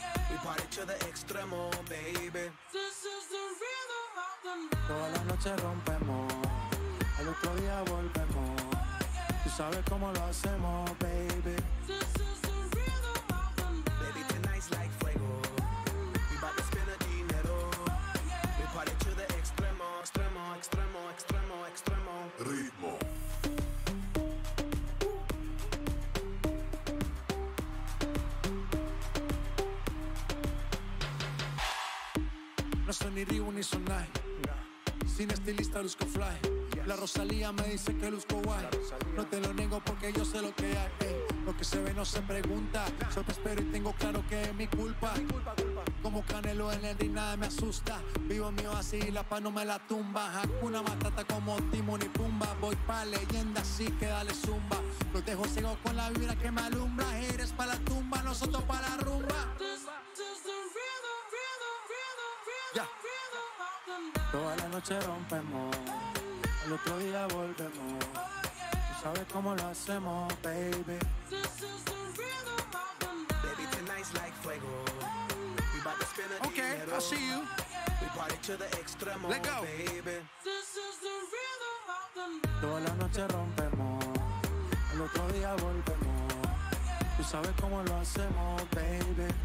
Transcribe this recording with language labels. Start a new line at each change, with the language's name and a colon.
English: We party to the extremo, baby.
Spanish: Toda la noche rompemos, el otro día volvemos. Tú sabes cómo lo hacemos, baby.
English: This is the rhythm of the night. Baby, tonight's like fuego. We about to spend the dinero. We party to the extremo, extremo, extremo, extremo, extremo.
Spanish: Ritmo. No soy ni Ryu ni Sonai. Sin estilista luzco fly. La Rosalía me dice que luzco guay. No te lo niego porque yo sé lo que hay. Ey, lo que se ve no se pregunta. Yo te espero y tengo claro que es mi culpa. Como Canelo en el ring nada me asusta. Vivo mío así y la paz no me la tumba. Hakuna Matata como Timón y Pumba. Voy pa' leyenda así que dale zumba. Los dejo ciego con la vibra que me alumbra. Eres pa' la tumba, nosotros pa' la rumba. Toda la noche rompemos, el otro día volvemos. Tú sabes cómo lo hacemos, baby.
English: This is the rhythm of the night. Baby, tonight's like fuego. We about to spend a dinero. Okay, I'll see you. We party to the extremo, let go, baby. This is the rhythm of the night.
Spanish: Toda la noche rompemos, el otro día volvemos. Tú sabes cómo lo hacemos, baby.